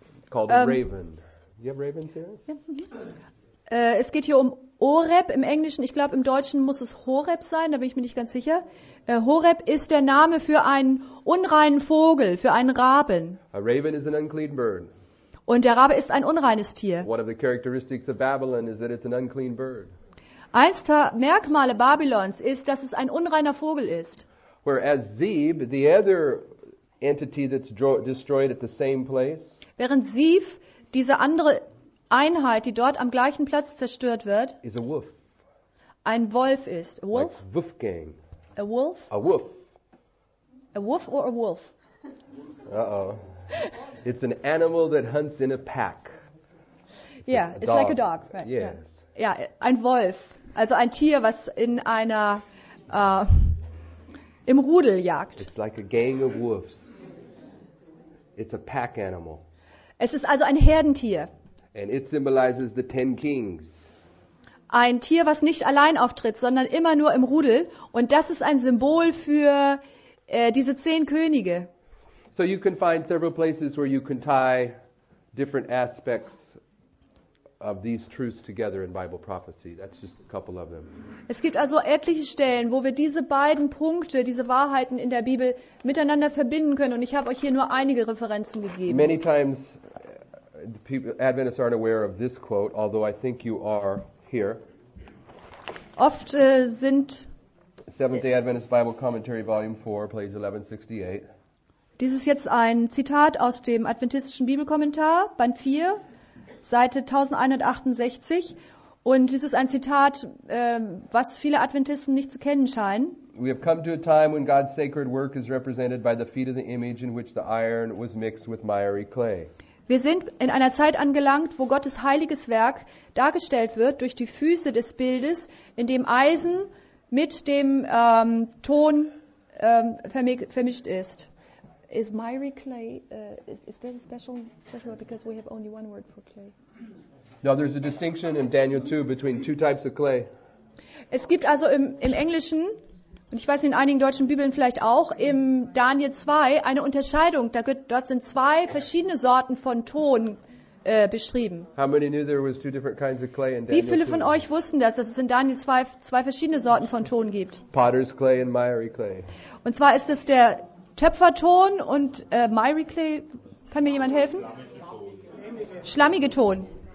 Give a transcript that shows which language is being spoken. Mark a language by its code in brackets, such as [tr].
[en] Called a raven. Do you have ravens here? [de] Yeah. Es geht hier um Oreb im Englischen. Ich glaube, im Deutschen muss es Horeb sein. Da bin ich mir nicht ganz sicher. Horeb ist der Name für einen unreinen Vogel, für einen Raben. [en] A raven is an unclean bird. [de] Und der Rabe ist ein unreines Tier. [en] One of the characteristics of Babylon is that it's an unclean bird. [de] Eins der Merkmale Babylons ist, dass es ein unreiner Vogel ist. [en] Whereas Zeb, the other entity that's destroyed at the same place. [de] Während Zeb, diese andere Einheit, die dort am gleichen Platz zerstört wird, [en] is a wolf. [de] Ein Wolf ist. [en] A wolf? Like Wolfgang. A wolf? A wolf. A wolf or a wolf? Uh-oh. It's an animal that hunts in a pack. It's yeah, it's like a dog. Right? Yes. [de] Yeah. Ja, ein Wolf. Also ein Tier, was in einer, im Rudel jagt. [en] It's like a gang of wolves. It's a pack animal. [de] Es ist also ein Herdentier. [en] And it symbolizes the 10 kings. [de] Ein Tier, was nicht allein auftritt, sondern immer nur im Rudel. Und das ist ein Symbol für diese 10 Könige. [en] So you can find several places where you can tie different aspects of these truths together in Bible prophecy. That's just a couple of them. [de] Es gibt also etliche Stellen, wo wir diese beiden Punkte, diese Wahrheiten in der Bibel miteinander verbinden können. Und ich habe euch hier nur einige Referenzen gegeben. [en] Many times people, Adventists aren't aware of this quote, although I think you are here. [de] Oft sind [en] Seventh-day Adventist Bible Commentary, Volume 4, page 1168. [de] Dies ist jetzt ein Zitat aus dem Adventistischen Bibelkommentar, Band 4, Seite 1168. Und dies ist ein Zitat, was viele Adventisten nicht zu kennen scheinen. [en] We have come to a time when God's sacred work is represented by the feet of the image in which the iron was mixed with miry clay. [de] Wir sind in einer Zeit angelangt, wo Gottes heiliges Werk dargestellt wird durch die Füße des Bildes, in dem Eisen mit dem Ton vermischt ist. [en] Is miry clay, is there a special word, because we have only one word for clay? No, there's a distinction in Daniel 2 between two types of clay. [de] Es gibt also im Englischen, und ich weiß in einigen deutschen Bibeln vielleicht auch, im Daniel 2 eine Unterscheidung. Dort sind zwei verschiedene Sorten von Ton beschrieben. [en] How many knew there was two different kinds of clay in Daniel 2? [de] Wie viele von euch wussten das, dass es in Daniel 2 zwei verschiedene Sorten von Ton gibt? [en] Potter's clay and miry clay. [de] Und zwar ist es der Töpferton und [en] miry clay. [de] Kann mir jemand helfen? Schlammige Ton.